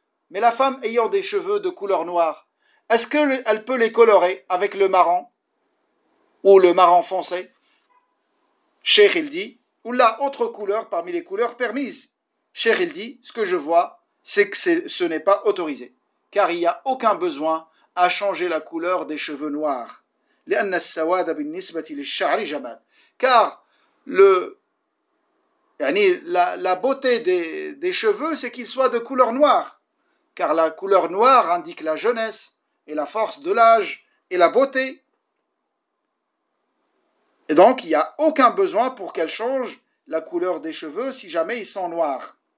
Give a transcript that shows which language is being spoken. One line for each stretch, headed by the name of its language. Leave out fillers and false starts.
French: Mais la femme ayant des cheveux de couleur noire, est-ce qu'elle peut les colorer avec le marron ou le marron foncé? Cheikh, il dit, ou la autre couleur parmi les couleurs permises. Cheikh, il dit, ce que je vois, c'est que ce n'est pas autorisé, car il n'y a aucun besoin à changer la couleur des cheveux noirs.
Arabic: لأن السواد بالنسبة للشعر جمال.
French: Car la beauté des cheveux, c'est qu'ils soient de couleur noire. Car la couleur noire indique la jeunesse et la force de l'âge et la beauté. Et donc, il n'y a aucun besoin pour qu'elle change la couleur des cheveux si jamais ils sont noirs.